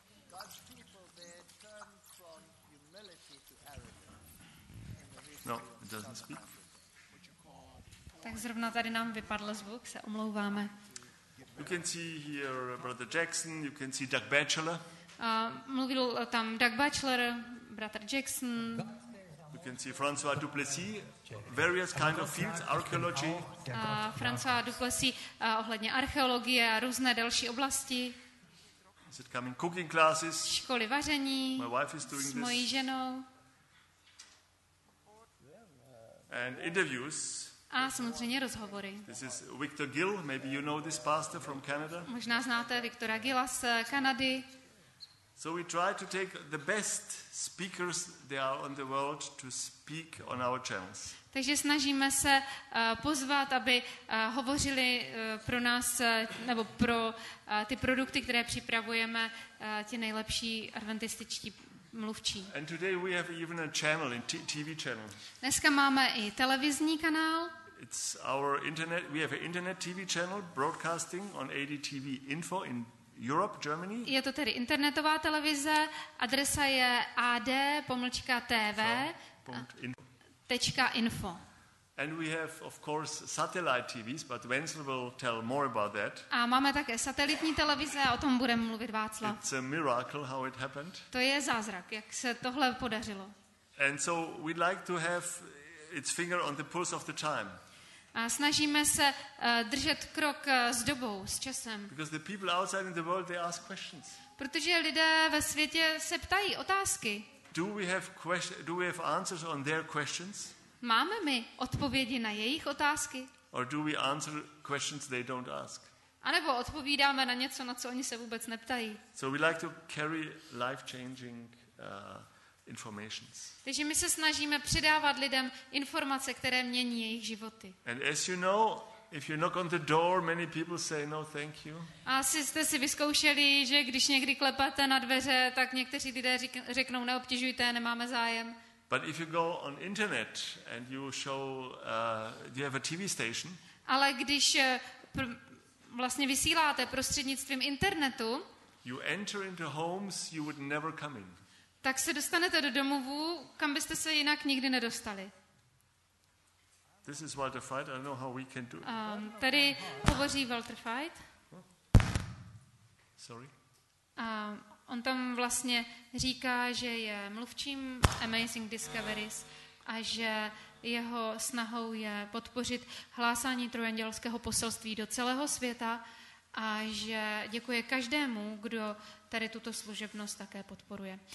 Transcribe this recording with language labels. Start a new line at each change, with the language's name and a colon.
English: God's people, they turn from humility to arrogance. No, it doesn't speak. What you call
Czech: Tak zrovna tady nám vypadl zvuk, se omlouváme.
English: You can see here Brother Jackson, you can see Doug Batchelor.
Czech: Mluvil tam Doug Batchelor, bratr Jackson.
English: You can see François Duplessis, various kind of fields, archaeology.
Czech: François Duplessis ohledně archeologie a různé další oblasti.
English: Is it coming cooking classes?
Czech: Školy vaření.
English: My wife is doing
Czech: this. S mojí ženou.
English: And interviews.
Czech: A samozřejmě rozhovory.
English: This is Victor Gill. Maybe you know this pastor from Canada.
Czech: Možná znáte Viktora Gilla z Kanady.
English: So we try to take the best speakers there are on the world to speak on our channels.
Czech: Takže snažíme se pozvat, aby hovořili pro nás nebo pro ty produkty, které připravujeme, ti nejlepší adventističtí mluvčí.
English: And today we have even a channel, a TV channel.
Czech: Dneska máme i televizní kanál.
English: It's our internet. We have an internet TV channel broadcasting on ADTV Info in Europe, Germany.
Czech: Je to tedy internetová televize. Adresa je ad.tv.info.
English: And we have of course satellite TVs, but Wenzel will tell more about that.
Czech: A máme také satelitní televize, o tom bude mluvit Václav.
English: It's a miracle how it happened.
Czech: To je zázrak, jak se tohle podařilo.
English: And so we'd like to have its finger on the pulse of the time.
Czech: A snažíme se držet krok s dobou, s časem.
English: Because the people outside in the world they ask questions.
Czech: Protože lidé ve světě se ptají otázky.
English: Do we have answers on their questions?
Czech: Máme my odpovědi na jejich otázky?
English: Or do we answer questions they don't ask?
Czech: A nebo odpovídáme na něco, na co oni se vůbec neptají?
English: So we like to carry life-changing informations.
Czech: Takže my se snažíme předávat lidem informace, které mění jejich životy.
English: And as you know, if you knock on the door, many people say no, thank you.
Czech: A asi jste si vyzkoušeli, že když někdy klepáte na dveře, tak někteří lidé řeknou neobtěžujte, nemáme zájem.
English: But if you go on internet and you show do you have a TV station?
Czech: Ale když vlastně vysíláte prostřednictvím internetu,
English: you enter into homes you would never come in.
Czech: Tak se dostanete do domovů, kam byste se jinak nikdy nedostali.
English: This is Walter Veit. I don't know how we can do it.
Czech: Tady hovoří Walter Veit.
English: Sorry.
Czech: On tam vlastně říká, že je mluvčím Amazing Discoveries a že jeho snahou je podpořit hlásání trojandělského poselství do celého světa a že děkuje každému, kdo tady tuto služebnost také podporuje.